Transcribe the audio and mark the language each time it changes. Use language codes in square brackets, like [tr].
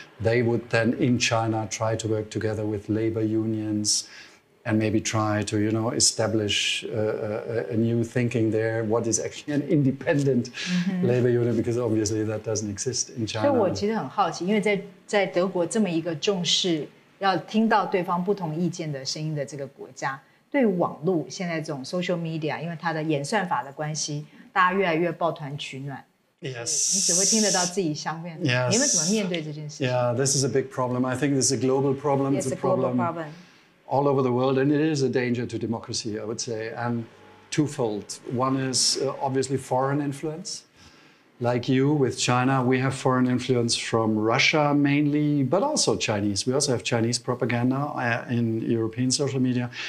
[en] They would then in China try to work together with labor unions, and maybe try to, you know, establish a new thinking there. What is actually an independent labor union? Because obviously that doesn't exist in China. [zh] 所以我其实很好奇，因为在德国这么一个重视要听到对方不同意见的声音的这个国家，对于网络现在这种 social media， 因为它的演算法的关系，大家越来越抱团取暖。 [en] Yes. [zh] 你只会听得到自己相面。 [en] Yes. [zh] 你们怎么面对这件事情 [en] ？Yeah, this is a big problem. I think this is a global problem. It's a global problem. All over the world, and it is a danger to democracy, I would say, and twofold. One is obviously foreign influence. Like you with China, we have foreign influence from Russia mainly, but also Chinese. We also have Chinese propaganda in European social media.